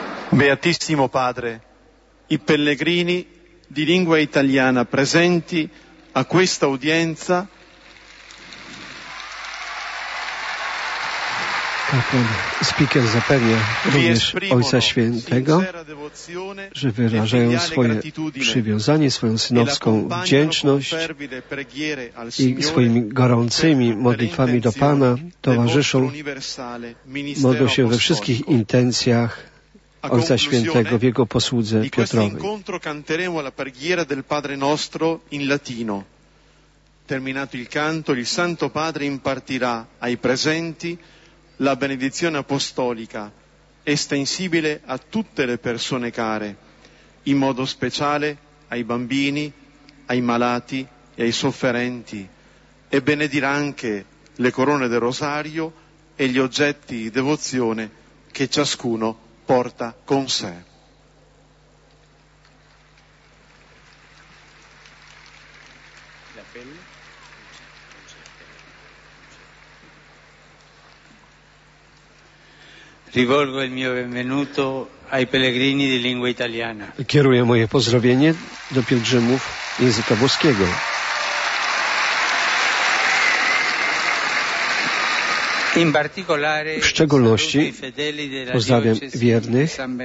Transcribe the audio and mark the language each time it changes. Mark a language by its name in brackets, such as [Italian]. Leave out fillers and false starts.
[Italian] Beatissimo Padre, i pellegrini di lingua italiana presenti a questa udienza. [Polish] Speaker zapewnia również Ojca Świętego, że wyrażają swoje przywiązanie, swoją synowską wdzięczność i swoimi gorącymi modlitwami do Pana towarzyszą, modlą się we wszystkich intencjach Ojca Świętego w jego posłudze Piotrowej. [Italian] Terminato il canto, il Santo Padre impartirà ai presenti la benedizione apostolica, estensibile a tutte le persone care, in modo speciale ai bambini, ai malati e ai sofferenti, e benedirà anche le corone del rosario e gli oggetti di devozione che ciascuno porta con sé. Rivolgo il mio benvenuto ai pellegrini di lingua italiana. [Polish] Kieruję moje pozdrowienie do pielgrzymów języka włoskiego. [Italian] In particolare, [Polish] w szczególności pozdrawiam wiernych